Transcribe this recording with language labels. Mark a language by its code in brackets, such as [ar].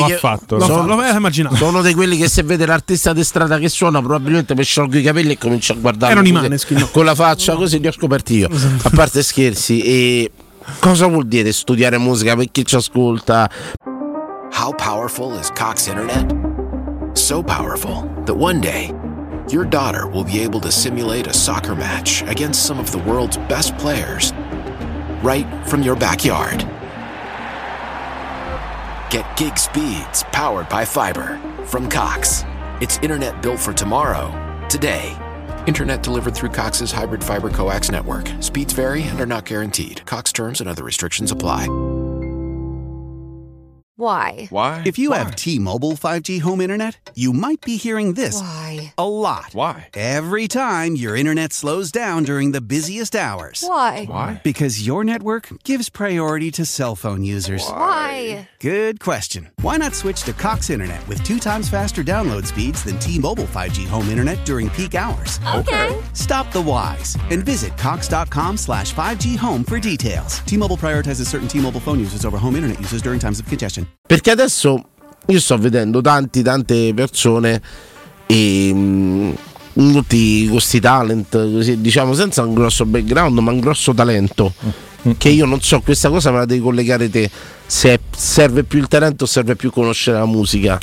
[it] immaginato. Sono uno di quelli che, se vede l'artista di strada che suona, probabilmente mi sciolgo i capelli e comincio a guardare. Erano i Maneskin, con la faccia così li ho scoperti io. A parte scherzi, e cosa vuol dire studiare musica per chi ci ascolta? [en] How powerful is Cox Internet? So powerful that one day your daughter will be able to simulate a soccer match against some of the world's best players right from your backyard. Get gig speeds powered by fiber from Cox. It's internet built for tomorrow, today. Internet delivered through Cox's hybrid fiber coax network. Speeds vary and are not guaranteed. Cox terms and other restrictions apply. If you have T-Mobile 5G home internet, you might be hearing this a lot. Why? Every time your internet slows down during the busiest hours. Why? Because your network gives priority to cell phone users. Good question. Why not switch to Cox Internet with 2x faster download speeds than T-Mobile 5G home internet during peak hours? Okay. Stop the whys and visit cox.com/5G home for details. T-Mobile prioritizes certain T-Mobile phone users over home internet users during times of congestion. [it] Perché adesso io sto vedendo tante persone e tutti questi talent, così, diciamo, senza un grosso background ma un grosso talento, che io non so, questa cosa me la devi collegare te, se serve più il talento o serve più conoscere la musica